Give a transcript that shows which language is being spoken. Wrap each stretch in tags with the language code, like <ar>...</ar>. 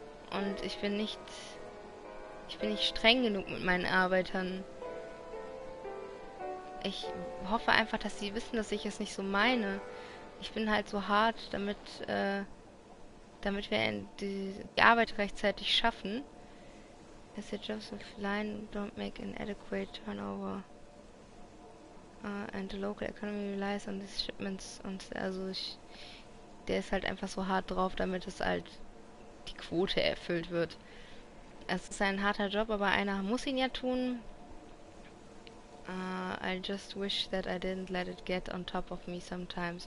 <de>Und ich bin nicht streng genug mit meinen Arbeitern. Ich hoffe einfach, dass sie wissen, dass ich es nicht so meine. Ich bin halt so hart, damit wir die Arbeit rechtzeitig schaffen.</de> <en>Is it just a line, don't make an adequate turnover. And the local economy relies on these shipments.</en> <de>Und also der ist halt einfach so hart drauf, damit es halt die Quote erfüllt wird. Es ist ein harter Job, aber einer muss ihn ja tun.</de> <en>I just wish that I didn't let it get on top of me sometimes.</en>